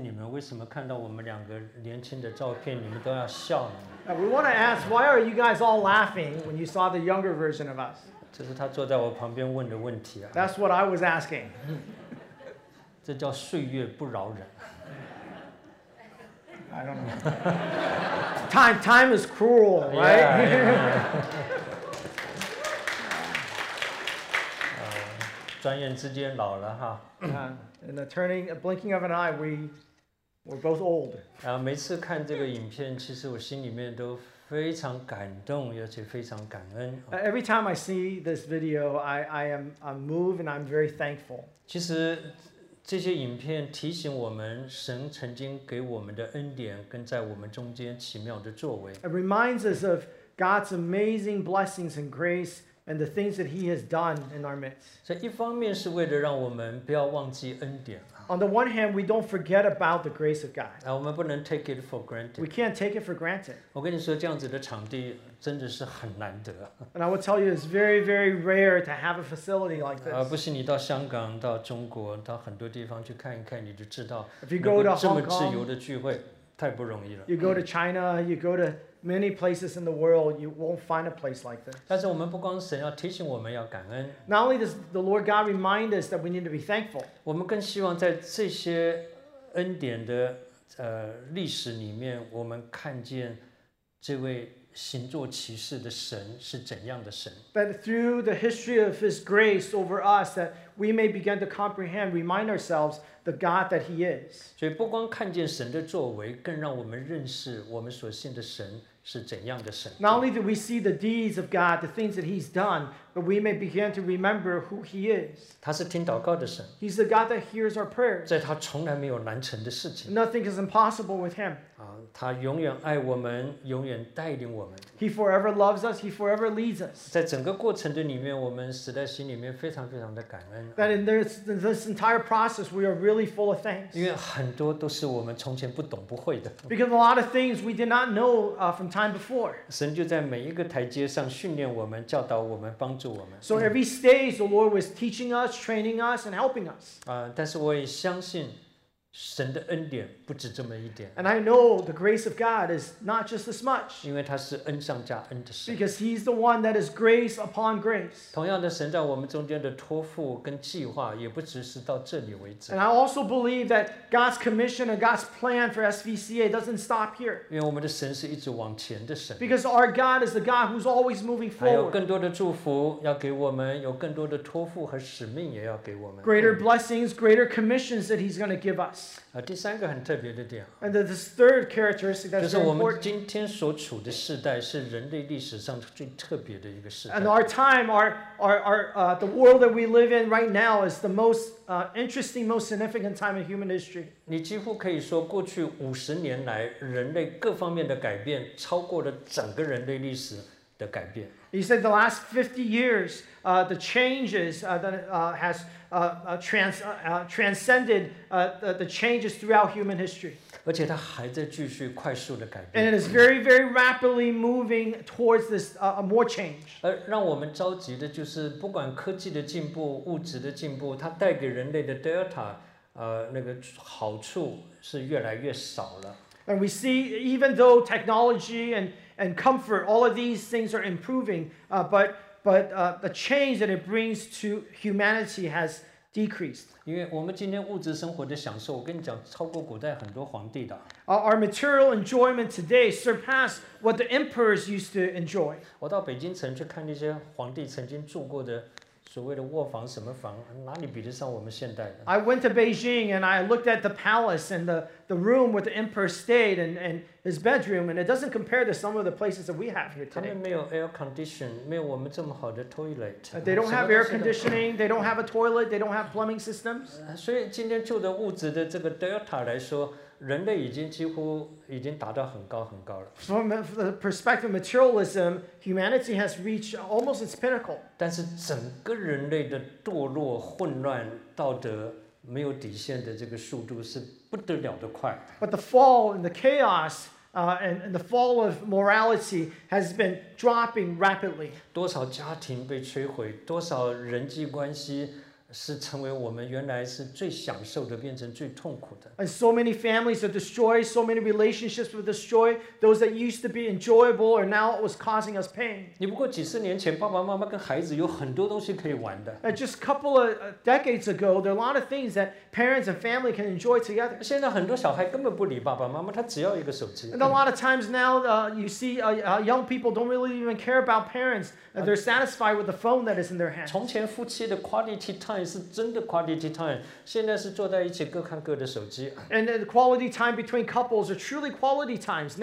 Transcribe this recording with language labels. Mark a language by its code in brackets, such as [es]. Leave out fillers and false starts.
[zh] 为什么看到我们两个年轻的照片，你们都要笑呢？ [en] We want to ask, why are you guys all laughing when you saw the younger version of us? [zh] 这是他坐在我旁边问的问题啊。 [en] That's what I was asking. [zh] 这叫岁月不饶人。 [en] I don't know. Time is cruel, right? Yeah, yeah. [zh] 转眼之间老了哈。 [en] In the turning, a blinking of an eye, We're both old. [zh] 每次看这个影片，其实我心里面都非常感动，而且非常感恩。 [en] Every time I see this video, I'm moved and I'm very thankful. [zh] 其实这些影片提醒我们，神曾经给我们的恩典，跟在我们中间奇妙的作为。 [en] It reminds us of God's amazing blessings and grace and the things that He has done in our midst. [zh] 所以一方面是为了让我们不要忘记恩典。 [en] On the one hand, we don't forget about the grace of God. [zh] 我们不能 [en] take it for granted. We can't take it for granted. [zh] 我跟你说，这样子的场地真的是很难得。 [en] And I will tell you, it's very, very rare to have a facility like this. [zh] 不信你到香港、到中国、到很多地方去看一看，你就知道。 [en] If you go to Hong Kong, [zh] 能够这么自由的聚会，太不容易了。 [en] You go to China, you go to many places in the world, you won't find a place like this. [zh] 但是我们不光神要提醒我们要感恩。 [en] Not only does the Lord God remind us that we need to be thankful. [zh] 我们更希望在这些恩典的历史里面，我们看见这位行作奇事的神是怎样的神。 [en] That through the history of His grace over us, that we may begin to comprehend, remind ourselves. The God that He is. [zh] 所以不光看见神的作为，更让我们认识我们所信的神是怎样的神。 [en] Not only do we see the deeds of God, the things that He's done, but we may begin to remember who He is. [zh] 他是听祷告的神。 [en] He's the God that hears our prayers. [zh] 在他从来没有难成的事情。 [en] Nothing is impossible with Him. [zh] 他永远爱我们，永远带领我们。 [en] He forever loves us, He forever leads us. [zh] 在整个过程的里面，我们实在心里面非常非常的感恩。 [en] That in this entire process, we are really full of thanks. [zh] 因为很多都是我们从前不懂不会的。 [en] Because a lot of things we did not know from time before. [zh] 神就在每一个台阶上训练我们，教导我们，帮助我们。 [en] So every stage, the Lord was teaching us, training us, and helping us. [zh] 但是我也相信神的恩典不止这么一点。 [en] And I know the grace of God is not just this much. [zh] 因为他是恩上加恩的神。 [en] Because He's the one that is grace upon grace. [zh] 同样的，神在我们中间的托付跟计划也不只是到这里为止。 [en] And I also believe that God's commission and God's plan for SVCA doesn't stop here. [zh] 因为我们的神是一直往前的神。 [en] Because our God is the God who's always moving forward. [zh] 还有更多的祝福要给我们，有更多的托付和使命也要给我们。 [en] Greater blessings, greater commissions that He's going to give us. [zh] 第三个很特别的点 [en] ，and the third characteristic that's important， [zh] 就是我们今天所处的世代是人类历史上最特别的一个世代。 [en] And our time, the world that we live in right now is the most interesting, most significant time in human history. [zh] 你几乎可以说，过去五十年来，人类各方面的改变超过了整个人类历史的改变。 [en] He said the last 50 years, the changes transcended the changes throughout human history. [zh] 而且它还在继续快速的改变。 [en] And it is very, very rapidly moving towards this more change. [zh] 而让我们着急的就是，不管科技的进步、物质的进步，它带给人类的 delta 那个好处是越来越少了。 [en] And we see, even though technology and comfort, all of these things are improving, but the change that it brings to humanity has decreased. [zh] 因为我们今天物质生活的享受，我跟你讲，超过古代很多皇帝的。 [en] Our material enjoyment today surpassed what the emperors used to enjoy. [zh] 我到北京城去看那些皇帝曾经住过的所谓的卧房什么房，哪里比得上我们现代的？ [en] I went to Beijing and I looked at the palace and the room where the emperor stayed and his bedroom, and it doesn't compare to some of the places that we have here today. [zh] 他们没有 air condition, 没有我们这么好的 toilet. [en] They don't have air conditioning, they don't have a toilet, they don't have plumbing systems. [zh] 所以今天就的物质的这个 delta 来说，人类已经几乎已经达到很高很高了。 [en] From the perspective of materialism, humanity has reached almost its pinnacle. [zh] 但是整个人类的堕落、混乱、道德没有底线的这个速度是不得了的快。 [en] But the fall and the chaos, and the fall of morality has been dropping rapidly. [zh] 多少家庭被摧毁，多少人际关系。是成为我们原来是最享受的，变成最痛苦的。 [en] And so many families are destroyed, so many relationships were destroyed. Those that used to be enjoyable are now what was causing us pain. [zh] 你不过几十年前，爸爸妈妈跟孩子有很多东西可以玩的。 [en] And just a couple of decades ago, there are a lot of things that parents and family can enjoy together. [zh] 现在很多小孩根本不理爸爸妈妈，他只要一个手机。 [en] And a lot of times now, you see, young people don't really even care about parents. They're satisfied with the phone that is in their hands. [zh] 从前夫妻的 quality time。是真的 quality time， 现在是坐在一起各看各的手机。 [en] And the quality time between couples are truly quality times.